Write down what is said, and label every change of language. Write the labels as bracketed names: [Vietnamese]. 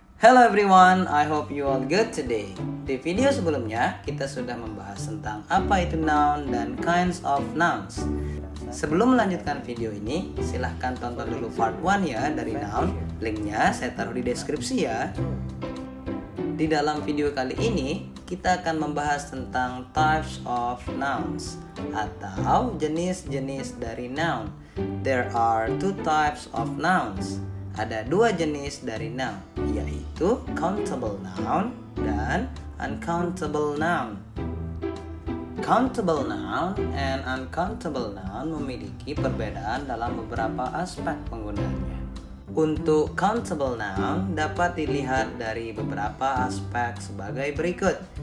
[English] Hello everyone, I hope you all good today. [Indonesian] Di video sebelumnya, kita sudah membahas tentang apa itu noun dan [English] kinds of nouns. [Indonesian] Sebelum melanjutkan video ini, silahkan tonton dulu part 1 ya dari noun. Linknya saya taruh di deskripsi ya. Di dalam video kali ini, kita akan membahas tentang [English] types of nouns [Indonesian] atau jenis-jenis dari noun. [English] There are two types of nouns. [Indonesian] Ada dua jenis dari noun, yaitu countable noun dan uncountable noun. Countable noun and uncountable noun memiliki perbedaan dalam beberapa aspek penggunaannya. Untuk countable noun dapat dilihat dari beberapa aspek sebagai berikut.